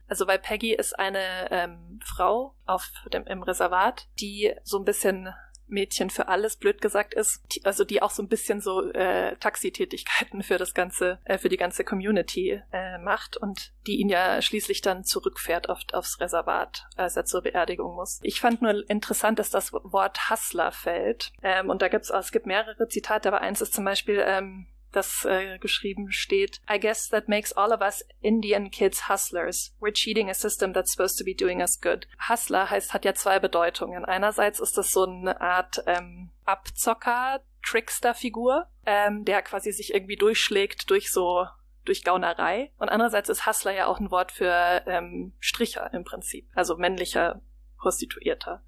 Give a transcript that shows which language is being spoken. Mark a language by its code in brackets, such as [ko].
[de] Also weil Peggy ist eine Frau im Reservat, die so ein bisschen Mädchen für alles, blöd gesagt ist, also die auch so ein bisschen so Taxitätigkeiten für die ganze Community macht und die ihn ja schließlich dann zurückfährt aufs Reservat, als er zur Beerdigung muss. Ich fand nur interessant, dass das Wort Hustler fällt. Und da gibt es auch, es gibt mehrere Zitate, aber eins ist zum Beispiel, das geschrieben steht: [en] I guess that makes all of us Indian kids hustlers. We're cheating a system that's supposed to be doing us good. [de] Hustler hat ja zwei Bedeutungen. Einerseits ist das so eine Art Abzocker, Trickster-Figur, der quasi sich irgendwie durchschlägt durch Gaunerei. Und andererseits ist Hustler ja auch ein Wort für Stricher im Prinzip, also männlicher Prostituierter.